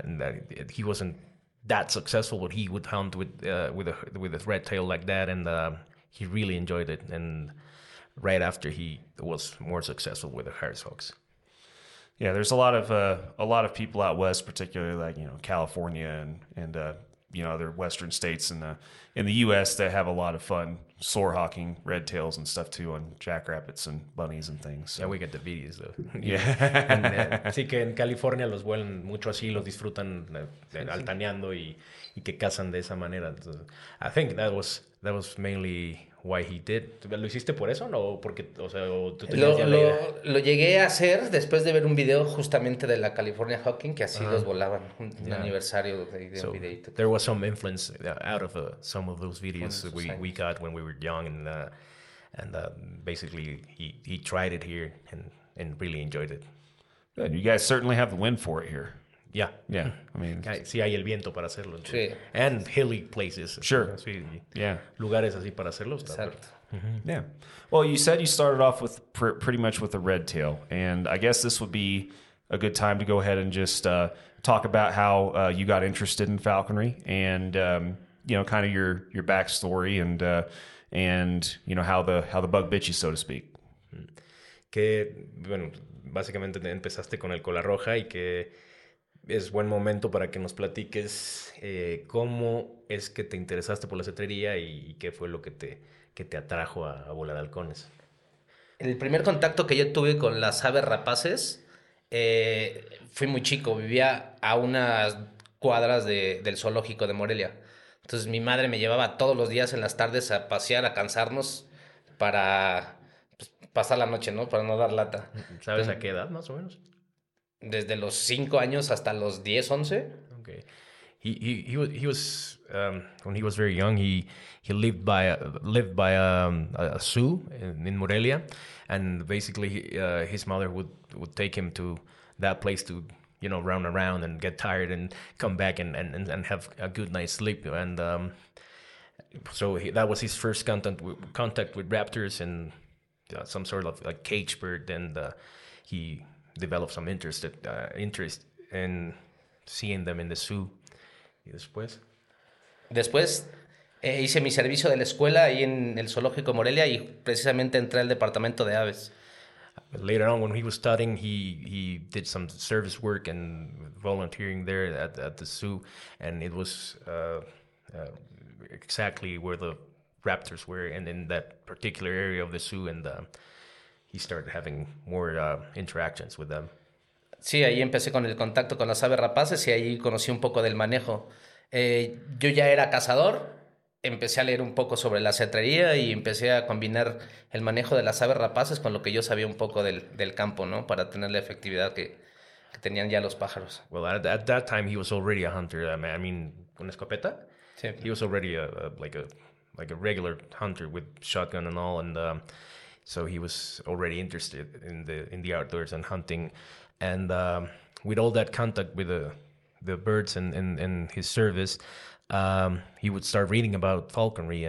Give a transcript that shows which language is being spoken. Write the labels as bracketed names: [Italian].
[English] And that he wasn't that successful, but he would hunt with a red tail like that, and he really enjoyed it, and right after he was more successful with the Harris hawks. Yeah, there's a lot of people out west, particularly like, you know, California and you know, other western states in the U.S. that have a lot of fun soar hawking red tails and stuff too on jackrabbits and bunnies and things. So. Yeah, we get the videos though. Yeah. [Spanish] Así que en California los vuelan mucho así, los disfrutan altaneando y que cazan de esa manera. [English] So I think that was mainly why he did. [Spanish] ¿Lo hiciste por eso, no? Porque, o sea, ¿tú tenías lo llegué a hacer después de ver un video justamente de la California Hawking, que así los volaban, un aniversario de [English] so [Spanish] un videito. [English] There was some influence out of some of those videos that we got when we were young, and basically he tried it here and really enjoyed it. Good. You guys certainly have the win for it here. Yeah. Yeah. I mean, [Spanish] si hay el viento para hacerlo. Sí. [English] And hilly places. Sure. [Spanish] Yeah. Lugares así para hacerlo. Exacto. [English] Mm-hmm. Yeah. Well, you said you started off with pretty much with a red tail, and I guess this would be a good time to go ahead and just talk about how you got interested in falconry and, you know, kind of your backstory and, you know, how the bug bit you, so to speak. [Spanish] Que, bueno, básicamente empezaste con el cola roja y que es buen momento para que nos platiques cómo es que te interesaste por la cetrería y qué fue lo que te atrajo a volar halcones. El primer contacto que yo tuve con las aves rapaces, fui muy chico, vivía a unas cuadras del zoológico de Morelia. Entonces mi madre me llevaba todos los días en las tardes a pasear, a cansarnos para pasar la noche, ¿no? Para no dar lata. ¿Sabes entonces, a qué edad, más o menos? Desde los 5 años hasta los 10, 11. Ok. [English] He was when he was very young, he lived by a zoo in Morelia, and basically his mother would take him to that place to, you know, run around and get tired and come back and have a good night's sleep. And that was his first contact with raptors and some sort of like cage bird. And he developed some interest in seeing them in the zoo. [Spanish] ¿Y después? Después hice mi servicio de la escuela ahí en el zoológico Morelia y precisamente entré al departamento de aves. [English] Later on, when he was studying, he did some service work and volunteering there at the zoo, and it was exactly where the raptors were and in that particular area of the zoo, and he started having more interactions with them. [Spanish] Sí, ahí empecé con el contacto con las aves rapaces y ahí conocí un poco del manejo. Yo ya era cazador, empecé a leer un poco sobre la cetrería y empecé a combinar el manejo de las aves rapaces con lo que yo sabía un poco del campo, ¿no? Para tener la efectividad que tenían ya los pájaros. [English] Well, at that time he was already a hunter. I mean, [Spanish] ¿con escopeta? Sí. [English] He was already a regular hunter with shotgun and all, and so he was already interested in the outdoors and hunting. And with all that contact with the birds and his service, he would start reading about falconry.